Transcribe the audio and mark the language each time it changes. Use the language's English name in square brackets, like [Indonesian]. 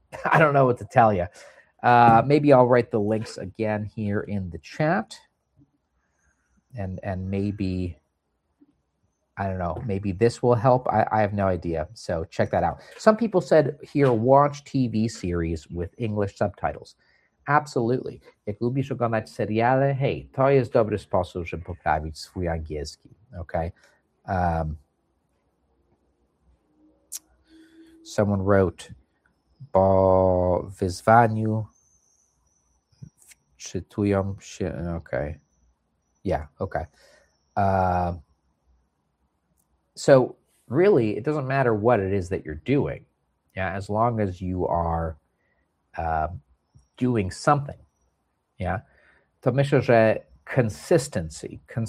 [English] I don't know what to tell you. Maybe I'll write the links again here in the chat. And maybe, I don't know, maybe this will help. I have no idea. So check that out. Some people said here, watch TV series with English subtitles. Absolutely. [Polish] Jak lubisz oglądać seriale, hej, to jest dobry sposób, żeby poprawić swój angielski. Okay. [English] Someone wrote, [Polish] bo wyzwaniu wczytują się, okay. [English] Yeah, okay. So really, it doesn't matter what it is that you're doing. Yeah, as long as you are doing something. [Polish] Yeah, to myślę, że consistency.